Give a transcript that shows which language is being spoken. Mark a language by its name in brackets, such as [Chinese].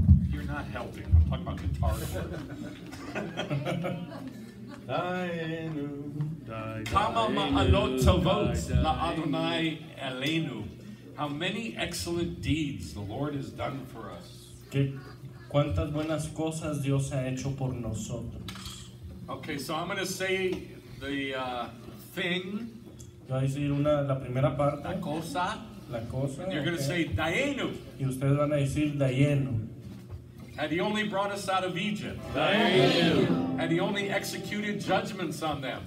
[English] You're not helping. I'm talking about guitar chords. [Hebrew] Dayenu. Kama ma'alot tovot la'adonai elenu. [English] How many excellent deeds the Lord has done for us. [Spanish] ¿Qué? ¿Cuántas buenas cosas Dios ha hecho por nosotros? [English] Okay, so I'm going to say the thing. [Spanish] Yo voy a decir la primera parte. La cosa. [English] And you're going to say Dayenu. [Spanish] Y ustedes van a decir Dayenu. [English] Had he only brought us out of Egypt? Thank you. Had he only executed judgments on them?